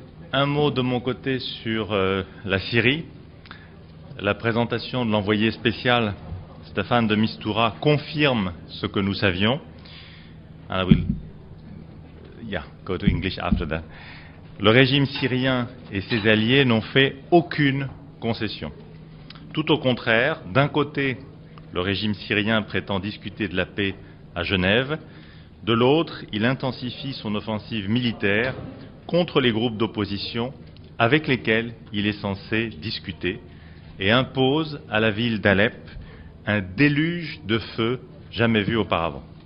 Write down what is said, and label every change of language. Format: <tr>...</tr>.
<fr>Un mot de mon côté sur la Syrie. La présentation de l'envoyé spécial Staffan de Mistura confirme ce que nous savions.</fr> <en>And I will, go to English after that.</en> <fr>Le régime syrien et ses alliés n'ont fait aucune concession. Tout au contraire, d'un côté, le régime syrien prétend discuter de la paix à Genève. De l'autre, il intensifie son offensive militaire contre les groupes d'opposition avec lesquels il est censé discuter et impose à la ville d'Alep un déluge de feu jamais vu auparavant.</fr>